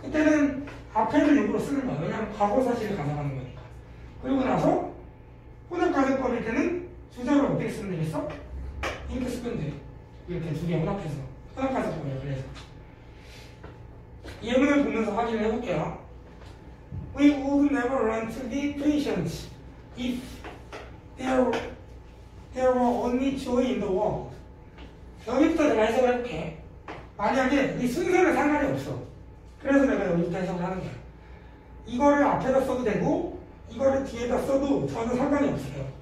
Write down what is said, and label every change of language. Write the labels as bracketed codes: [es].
[ko] 그때는 앞에를 일부러 쓰는 거야. 왜냐하면 과거 사실을 가정하는 거니까. 그리고 나서 혼합가정법일 때는 주자를 어떻게 쓰면 되겠어? 이렇게 쓰면 돼. 이렇게 두개 혼합해서 혼합가정법이야. 그래서 예문을 보면서 확인을 해볼게요. [en] We would never learn to be patient if there were only joy in the world. [ko] 여기부터 내가 해석을 해볼게. 만약에 이 순서는 상관이 없어. 그래서 내가 여기부터 해석을 하는 거야. 이거를 앞에다 써도 되고, 이거를 뒤에다 써도 전혀 상관이 없어요.